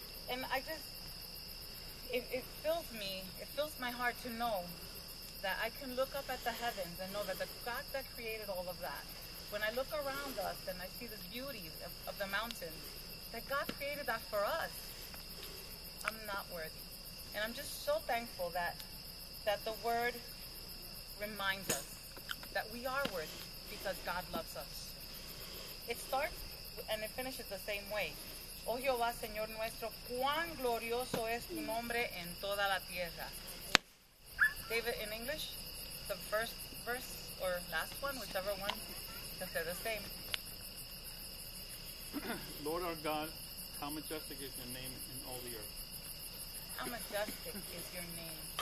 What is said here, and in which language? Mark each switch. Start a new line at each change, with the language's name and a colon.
English: And I just, it fills my heart to know that I can look up at the heavens and know that the God that created all of that, when I look around us and I see this beauty of the mountains, that God created that for us. I'm not worthy. And I'm just so thankful that the word reminds us that we are worthy because God loves us. It starts and it finishes the same way.
Spanish: Oh, Jehová, Señor nuestro, cuán glorioso es tu nombre en toda la tierra.
English: David, in English, the first verse or last one, whichever one, because they're the same. Lord our God, how majestic is your name in all the earth. How majestic is your name.